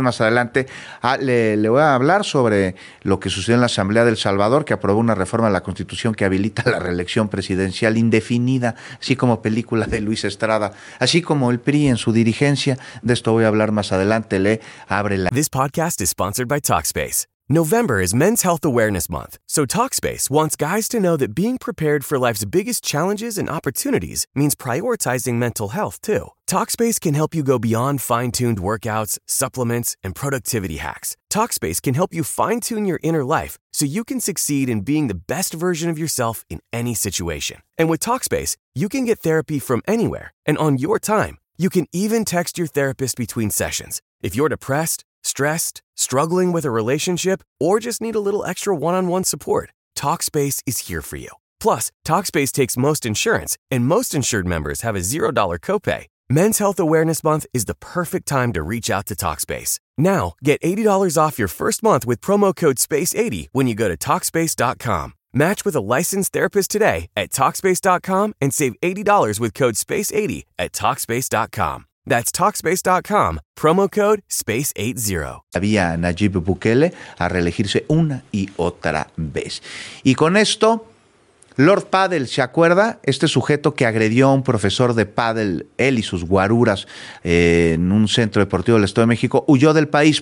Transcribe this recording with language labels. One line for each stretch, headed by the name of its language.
Spanish: Más adelante le voy a hablar sobre lo que sucedió en la Asamblea de El Salvador, que aprobó una reforma a la Constitución que habilita la reelección presidencial indefinida, así como película de Luis Estrada, así como el PRI en su dirigencia. De esto voy a hablar más adelante. Le abre la...
English: This podcast is sponsored by Talkspace. November is Men's Health Awareness Month, so Talkspace wants guys to know that being prepared for life's biggest challenges and opportunities means prioritizing mental health, too. Talkspace can help you go beyond fine-tuned workouts, supplements, and productivity hacks. Talkspace can help you fine-tune your inner life so you can succeed in being the best version of yourself in any situation. And with Talkspace, you can get therapy from anywhere and on your time. You can even text your therapist between sessions. If you're depressed, stressed, struggling with a relationship, or just need a little extra one-on-one support, Talkspace is here for you. Plus, Talkspace takes most insurance, and most insured members have a $0 copay. Men's Health Awareness Month is the perfect time to reach out to Talkspace. Now, get $80 off your first month with promo code SPACE80 when you go to Talkspace.com. Match with a licensed therapist today at Talkspace.com and save $80 with code SPACE80 at Talkspace.com. That's Talkspace.com, promo code SPACE80.
Spanish: Había Nayib Bukele a reelegirse una y otra vez. Y con esto, Lord Paddle, ¿se acuerda? Este sujeto que agredió a un profesor de paddle, él y sus guaruras, en un centro deportivo del Estado de México, huyó del país.